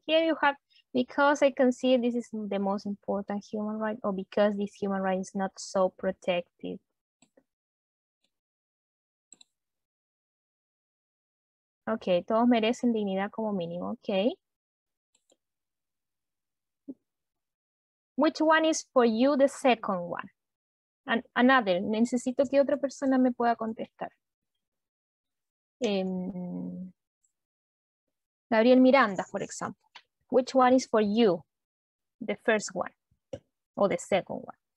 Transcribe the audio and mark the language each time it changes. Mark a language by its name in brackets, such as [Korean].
[English] Here you have, because I can see this is the most important human right, or because this human right is not so protected. [Spanish] Okay. Todos merecen dignidad como mínimo. Okay. [English] Which one is for you the second one? [Spanish] Another, necesito que otra persona me pueda contestar. [English] Gabriel Miranda, for example. Which one is for you the first one or the second one?